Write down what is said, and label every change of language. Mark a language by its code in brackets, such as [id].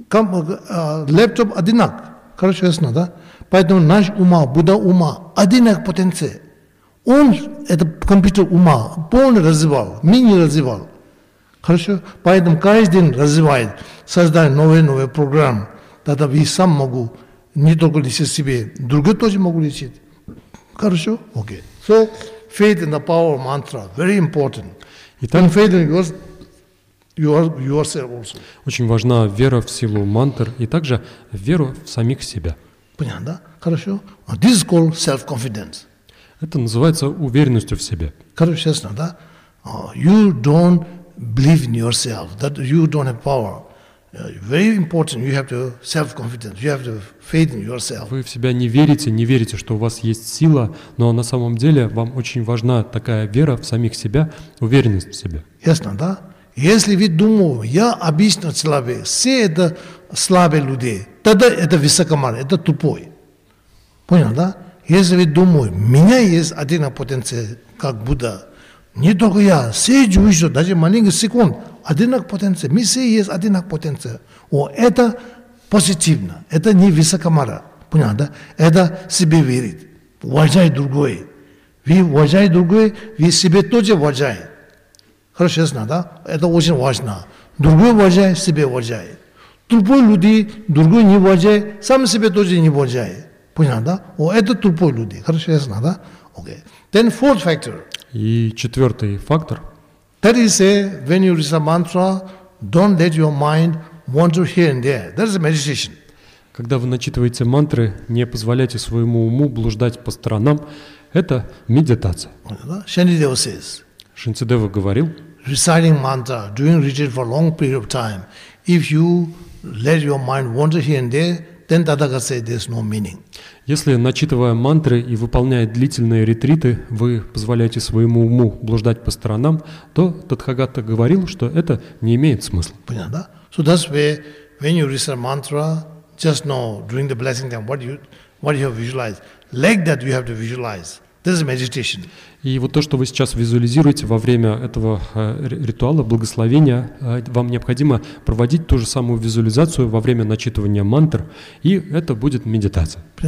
[ru] Лэптоп одинак, короче, ясно, да? Поэтому наш ума, Будда ума, одинак потенция. Он, этот компьютер ума, полный развивал, мини развивал. Хорошо? Поэтому каждый день развивает, создает новые программы. Тогда я сам могу не только лечить себе, другие тоже могу лечить. Хорошо? Окей. Okay. [en] So, faith in the power of mantra, very important. [ru] Итак, [en] and faith in yourself also. [ru] Очень важна вера в силу мантр и также вера в самих себя. Понятно, да? Хорошо? [en] This is called self-confidence. [ru] Это называется уверенностью в себе. Короче, честно, да? [en] You don't believe in yourself that you don't have power. Very important. You have to self-confidence. You have to faith in yourself. [ru] Вы в себя не верите, что у вас есть сила, но на самом деле вам очень важна такая вера в самих себя, уверенность в себе. Ясно, да? Если вы думаете, я обычный человек, все это слабые люди, тогда это высокомарный, это тупой. Понял, да? Если вы думаете, у меня есть один потенциал, как Будда. Не только я, все живущие, даже маленький секунд, одинаковая потенция. Мы все есть одинаковая потенция. О, это позитивно, это не высокомара, понятно, да? Это себе верит, уважает другое. Вы уважаете другое, вы себе тоже уважаете. Хорошо, ясно, да? Это очень важно. Другой уважает, себе уважает. Тупой люди, другой не уважает, сам себе тоже не уважает. Понятно, да? О, это тупой люди. Хорошо, ясно, да? [en] Okay. Then fourth factor. [ru] И четвертый фактор. [en] That is say, when you recite mantra, don't let your mind wander here and there. That is meditation. [ru] Когда вы начитываете мантры, не позволяйте своему уму блуждать по сторонам. Это медитация. [en] Шантидева says. [ru] Шантидева говорил. [en] Reciting mantra, doing retreat for a long period of time, if you let your mind wander here and there, then Tathagata says there's no meaning. [ru] Если, начитывая мантры и выполняя длительные ретриты, вы позволяете своему уму блуждать по сторонам, то Тадхагата говорил, что это не имеет смысла. Понятно, да? [en] So that's where, when you recite mantra, just know, during the blessing time, what you have visualized. Like that you have to visualize. This is meditation. [ru] И вот то, что вы сейчас визуализируете во время этого ритуала благословения, вам необходимо проводить ту же самую визуализацию во время начитывания мантр, и это будет медитация.